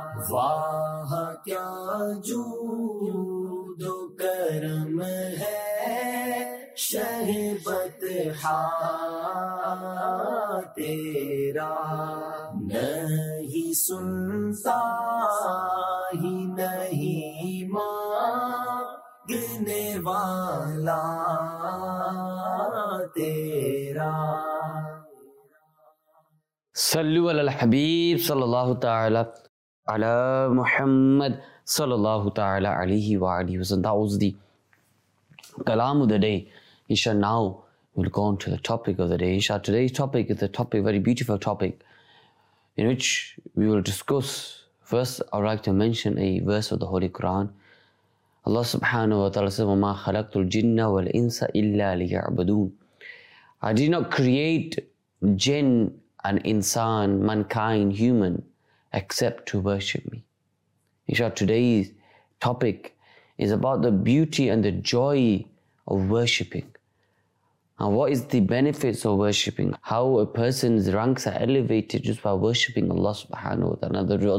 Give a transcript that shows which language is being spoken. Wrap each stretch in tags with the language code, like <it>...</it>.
<ur>واہ کیا جود و کرم ہے شہ بتحا تیرا نہیں سنتا ہی نہیں مانگنے والا تیرا.</ur> <ar>صلو علی الحبیب صلی اللہ تعالی علی محمد صلی اللہ تعالی علیہ وآلہ وسلم.</ar> <en>That was the kalam of the day. Isha, now we'll go on to the topic of the day. Isha, today's topic is a topic, very beautiful topic, in which we will discuss. First, I'd like to mention a verse of the Holy Quran. Allah subhanahu wa ta'ala says,</en> <ar>وَمَا خَلَقْتُ الْجِنَّ وَالْإِنسَ إِلَّا لِيَعْبَدُونَ.</ar> <en>I did not create jinn and insan, mankind, human, except to worship me. Isha, today's topic is about the beauty and the joy of worshipping. And what is the benefits of worshipping? How a person's ranks are elevated just by worshipping Allah subhanahu wa ta'ala.</en>